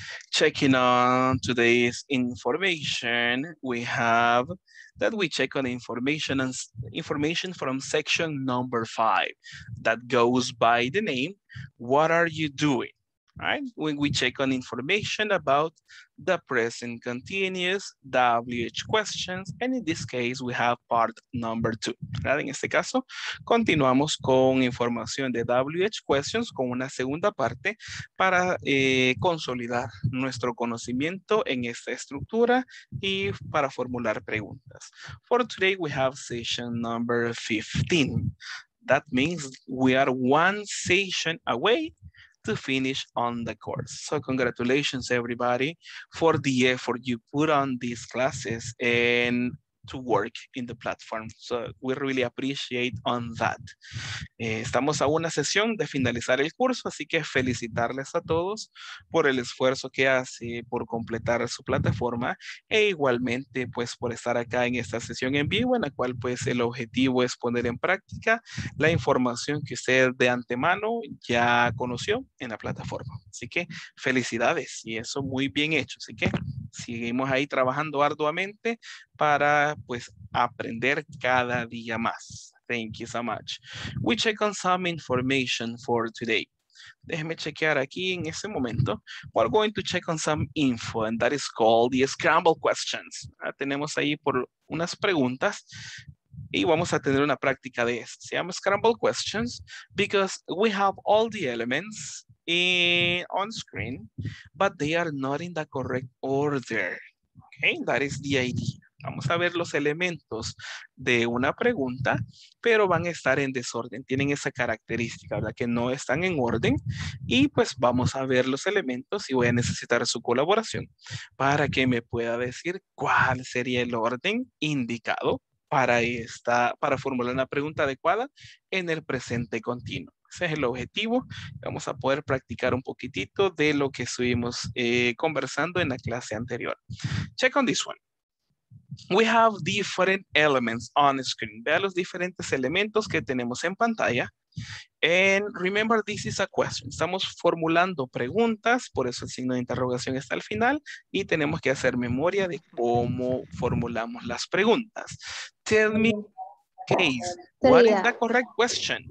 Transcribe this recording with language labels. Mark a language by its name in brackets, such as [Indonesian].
[English] Checking on today's information, we have that we check on information and information from section number 5 that goes by the name, what are you doing? Right? When we check on information about the present continuous, WH questions, and in this case, we have part number 2. [Spanish] ¿Verdad? En este caso, continuamos con información de WH questions con una segunda parte para consolidar nuestro conocimiento en esta estructura y para formular preguntas. [English] For today, we have session number 15. That means we are one session away to finish on the course. So congratulations everybody for the effort you put on these classes and to work in the platform. So we really appreciate on that. [Spanish] Estamos a una sesión de finalizar el curso, así que felicitarles a todos por el esfuerzo que hace por completar su plataforma e igualmente pues por estar acá en esta sesión en vivo en la cual pues el objetivo es poner en práctica la información que usted de antemano ya conoció en la plataforma. Así que felicidades y eso muy bien hecho. Así que seguimos ahí trabajando arduamente para pues aprender cada día más. [English] Thank you so much. We check on some information for today. [Spanish] Déjeme chequear aquí en este momento. [English] We're going to check on some info and that is called the scramble questions. [Spanish] Tenemos ahí por unas preguntas y vamos a tener una práctica de esto. Se llama [English] scramble questions because we have all the elements on screen, but they are not in the correct order. Okay, that is the idea. [Spanish] Vamos a ver los elementos de una pregunta, pero van a estar en desorden. Tienen esa característica, ¿verdad? Que no están en orden. Y pues vamos a ver los elementos y voy a necesitar su colaboración para que me pueda decir cuál sería el orden indicado para esta, para formular una pregunta adecuada en el presente continuo. Ese es el objetivo. Vamos a poder practicar un poquitito de lo que estuvimos conversando en la clase anterior. [English] Check on this one. We have different elements on screen. [Spanish] Vea los diferentes elementos que tenemos en pantalla. [English] And remember, this is a question. [Spanish] Estamos formulando preguntas, por eso el signo de interrogación está al final. Y tenemos que hacer memoria de cómo formulamos las preguntas. [English] Tell me, Case, what is the correct question?